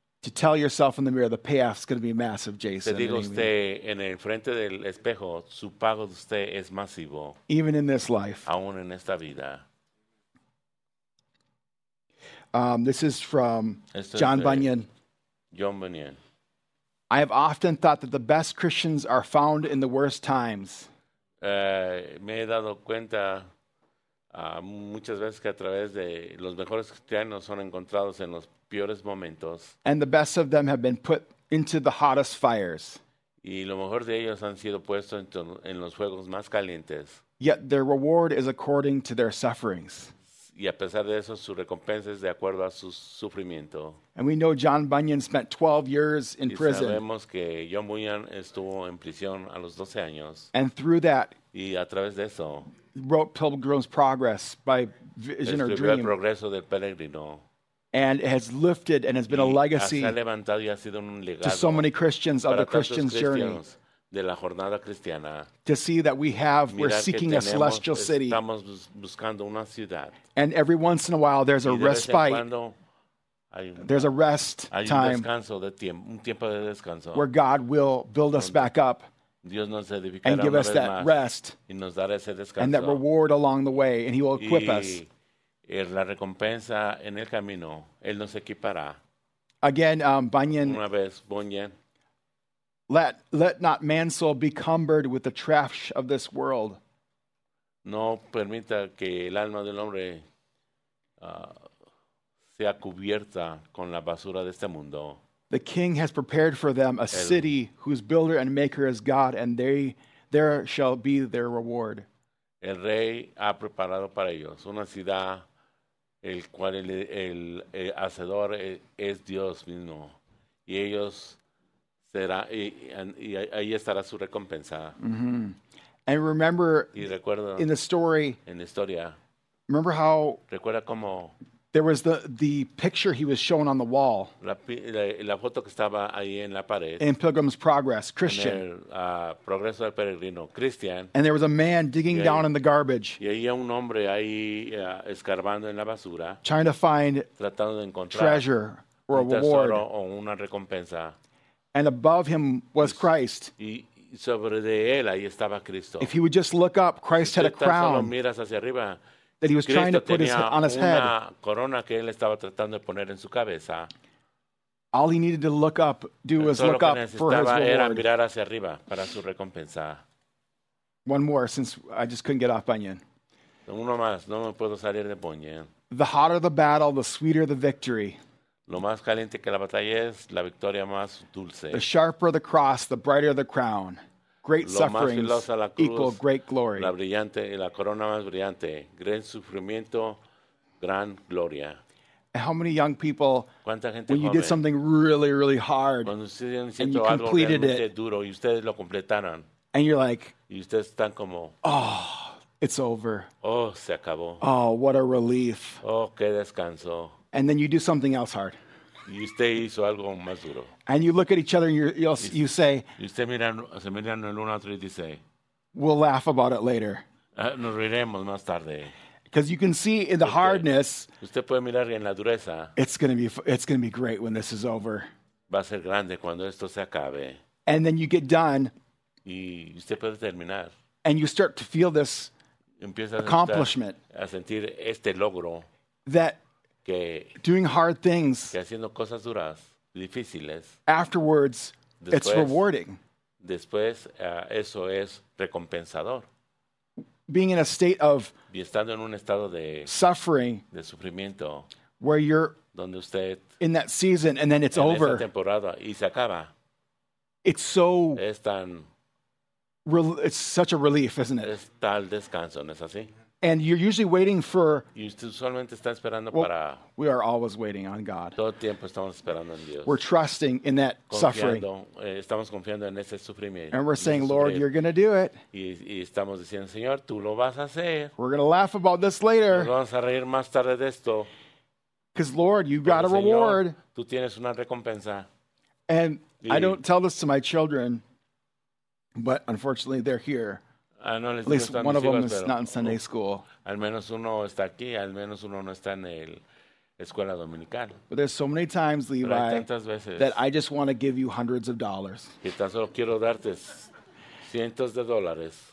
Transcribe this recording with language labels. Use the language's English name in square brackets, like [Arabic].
[English] to tell yourself in the mirror the payoff is going to be massive, Jason. [Spanish] Te digo usted en el frente del espejo su pago de usted es masivo. [English] Even in this life. [Spanish] Aún en esta vida. [English] This is from [Spanish] esto [English] John [Spanish] es [English] Bunyan. [Spanish] John Bunyan. [English] I have often thought that the best Christians are found in the worst times. [Spanish] Me he dado cuenta muchas veces que a través de los mejores cristianos son encontrados en los peores momentos. [English] And the best of them have been put into the hottest fires. [Spanish] Y lo mejor de ellos han sido puestos en los fuegos más calientes. [English] Yet their reward is according to their sufferings. [Spanish] Y a pesar de eso, su recompensa es de acuerdo a su sufrimiento. [English] And we know John Bunyan spent 12 years in prison. [Spanish] Y sabemos que John Bunyan estuvo en prisión a los 12 años. [English] And through that, [Spanish] y a través de eso, [English] wrote Pilgrim's Progress by Vision or Dream. [Spanish] Escribió el progreso del peregrino. [English] And it has lifted and has been [Spanish] y [English] a legacy [Spanish] ha levantado y ha sido un legado [English] to so many Christians of the Christian's journey. [Spanish] De la jornada cristiana. [English] To see that we have, we're seeking [Spanish] tenemos, [English] a celestial city. [Spanish] Estamos buscando una ciudad. [English] And every once in a while, there's a respite. [Spanish] Cuando, [English] there's a rest [Spanish] hay un [English] time [Spanish] descanso de tiempo, un tiempo de descanso. [English] Where God will build us back up [Spanish] Dios nos edificará [English] and give [Spanish] una [English] us [Spanish] vez [English] that [Spanish] más, [English] rest [Spanish] y nos dará ese descanso. [English] And that reward along the way, and he will equip [Spanish] y [English] us. [Spanish] La recompensa en el camino, él nos equipará. [English] Again, Bunyan, [Spanish] una vez, Bunyan, [English] let not man's soul be cumbered with the trash of this world. [Spanish] No permita que el alma del hombre sea cubierta con la basura de este mundo. [English] The king has prepared for them a city whose builder and maker is God, and there shall be their reward. [Spanish] El rey ha preparado para ellos una ciudad el cual el hacedor es Dios mismo, y ellos será y ahí estará su recompensa. [English] Mm-hmm. And remember, [Spanish] y recuerdo, [English] in the story, [Spanish] en la historia, [English] remember how [Spanish] recuerda cómo [English] There was the picture he was showing on the wall. [Spanish] La foto que estaba ahí en la pared. [English] In Pilgrim's Progress, Christian. [Spanish] Progreso del peregrino, Christian. [English] And there was a man digging down in the garbage. [Spanish] Y había un hombre ahí escarbando en la basura. [English] Trying to find [Spanish] tratando de encontrar [English] treasure or a reward. [Spanish] O una recompensa. [English] And above him was Christ. [Spanish] Y sobre de él ahí estaba Cristo. [English] If he would just look up, Christ [Spanish] si [English] had a crown. [Spanish] Solo miras hacia arriba, [English] that he was [Spanish] Cristo [English] trying to put on his head. [Spanish] Corona que él estaba tratando de poner en su cabeza. [English] All he needed to look up, do was look up for his reward. [Spanish] Era mirar hacia arriba para su recompensa. [English] One more, since I just couldn't get off Bunyan. [Spanish] Uno más, no me puedo salir de Bunyan. [English] The hotter the battle, the sweeter the victory. [Spanish] Lo más caliente que la batalla es, la victoria más dulce. [English] The sharper the cross, the brighter the crown. Great sufferings equal great glory. [Spanish] La brillante, la corona más brillante. Gran sufrimiento, gran gloria. [English] How many young people, [Spanish] ¿cuánta gente [English] when you did something really, really hard, [Spanish] cuando ustedes han hecho algo [English] completed it, [Spanish] duro, y ustedes lo completaron, [English] and you're like, [Spanish] y ustedes están como, [English] oh, it's over. [Spanish] Oh, se acabó. [English] Oh, what a relief. [Spanish] Oh, qué descanso. [English] And then you do something else hard. [Spanish] Y usted hizo algo más duro. [English] And you look at each other and you say, [Spanish] y usted se miran el uno a otro y dice, [English] we'll laugh about it later. [Spanish] Nos riremos más tarde. [English] Because you can see in the hardness, [Spanish] usted puede mirar en la dureza, [English] it's going to be great when this is over. [Spanish] Va a ser grande cuando esto se acabe. [English] And then you get done. [Spanish] Y usted puede terminar. [English] And you start to feel this accomplishment. [Spanish] A sentir este logro. [English] That [Spanish] que [English] doing hard things, [Spanish] que haciendo cosas duras, difíciles, [English] afterwards, [Spanish] después, [English] it's rewarding. [Spanish] Después, eso es recompensador. [English] Being in a state of [Spanish] y estando en un estado de [English] suffering, [Spanish] de sufrimiento, [English] where you're [Spanish] donde usted, [English] in that season and then it's [Spanish] en [English] over. [Spanish] Esa temporada, y se acaba. [English] It's so [Spanish] es tan, [English] it's such a relief, isn't it? [Spanish] Es tal descanso, ¿no es así? [English] And you're usually waiting for. [Spanish] Solamente está esperando well, para, [English] we are always waiting on God. [Spanish] Todo tiempo estamos esperando en Dios. [English] We're trusting in that [Spanish] confiando, [English] suffering. [Spanish] Estamos confiando en ese sufrimiento. [English] And we're saying, Lord, you're going to do it. [Spanish] Y estamos diciendo, Señor, tú lo vas a hacer. [English] We're going to laugh about this later. [Spanish] Nos vamos a reír más tarde de esto. [English] Because, Lord, you've got a reward. [Spanish] Tú tienes una recompensa. [English] And I don't tell this to my children, but unfortunately, they're here. [Spanish] No, [English] at least one of them [Spanish] hijos, [English] is not in Sunday school. [Spanish] Al menos uno está aquí, al menos uno no está en el escuela dominical. [English] But there's so many times, Levi, [Spanish] veces, [English] that I just want to give you hundreds of dollars. [Spanish] Que tan solo quiero darte cientos de dólares.